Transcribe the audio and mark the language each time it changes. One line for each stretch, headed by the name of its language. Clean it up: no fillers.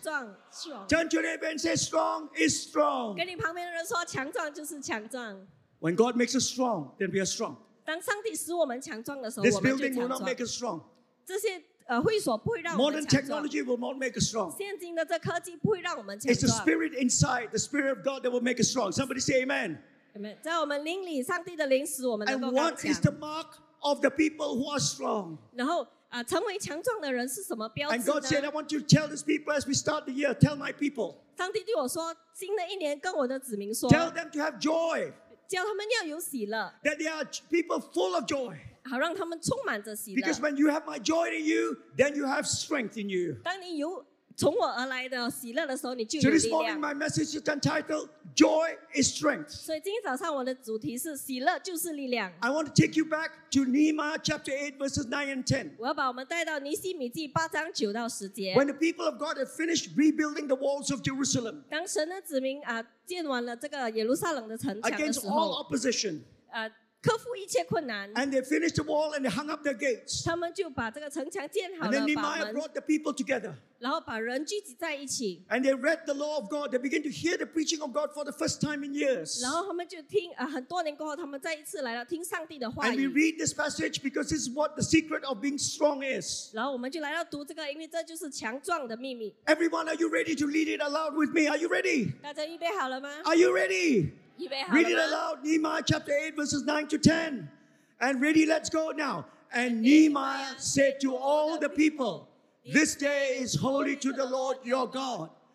English: Turn to your neighbor and say, strong is strong.
Chinese: 跟你旁边的人说, 强壮就是强壮。
English: When God makes us strong, then we are strong.
Chinese: 当上帝使我们强壮的时候,
English: this building will not make us strong.
Chinese: 这些会所不会让我们强壮。
English: Modern technology will not make us strong.
Chinese: 现今的这科技不会让我们强壮。
English: It's the spirit inside, the spirit of God that will make us strong. Somebody say amen. Amen.
Chinese: 在我们灵里, 上帝的灵使我们能够高强。
English: And what is the mark of the people who are strong?
Chinese: 然后,
English: And God said, I want you to tell these people as we start the year, tell my people.
Chinese: 上帝对我说,
English: tell them to have joy. That they are people full of joy. Because when you have my joy in you, then you have strength in you.
Chinese: 当你有, 从我而来的喜乐的时候，你就有力量。
English: So this morning, my message is entitled "Joy is Strength."
Chinese: 所以今天早上我的主题是喜乐就是力量。
English: I want to take you back to Nehemiah chapter 8, verses 9 and 10.
Chinese: 我要把我们带到尼希米记八章九到十节。
English: When the people of God had finished rebuilding the walls of Jerusalem,
Chinese: 当神的子民建完了这个耶路撒冷的城墙的时候,
English: against all opposition,
Chinese: 克服一切困难,
English: and they finished the wall and they hung up their gates.
Chinese: 他们就把这个城墙建好了,
English: and then Nehemiah brought the people together.
Chinese: 然后把人聚集在一起,
English: and they read the law of God. They began to hear the preaching of God for the first time in years.
Chinese: 然后他们就听, 很多年过后, 他们再一次来了, 听上帝的话语,
English: and we read this passage because this is what the secret of being strong is.
Chinese: 然后我们就来到读这个, 因为这就是强壮的秘密。
English: Everyone, are you ready to read it aloud with me? Are you ready?
Chinese: 大家预备好了吗?
English: Are you ready?
Chinese: 预备好了吗?
English: Read it aloud, Nehemiah chapter 8, verses 9 to 10. And ready, let's go now. And Nehemiah said to all the people, "This day is holy to the Lord your God.